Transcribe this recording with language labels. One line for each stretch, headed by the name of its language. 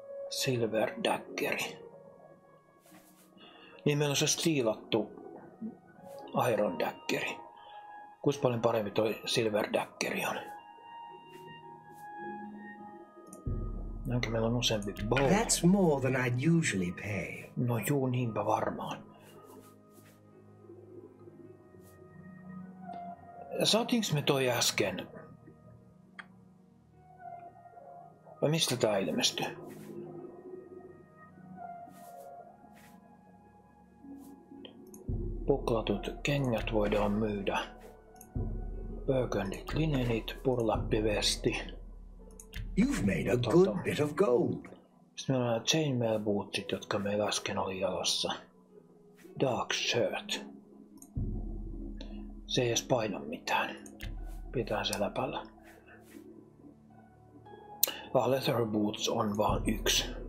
Finnish: Silver Daggeri. Niin meillä on se stiilattu Iron Daggeri. Kuinka paljon parempi toi Silver Daggeri on? Onko meillä on useampi bow?
English: That's more than I'd usually pay.
Finnish: No juu, niinpä varmaan. Saatiinko me toi äsken? Vai mistä tää ilmestyi? Puklatut kengät voidaan myydä. Burgundit, linenit, burlappivesti.
English: You've made a good bit of gold.
Finnish: Sitten meillä on nämä chainmail bootsit, jotka meillä äsken oli jalossa. Dark shirt. Se ei edes paina mitään. Pitää se läpällä. Ah, leather boots on vaan yksi.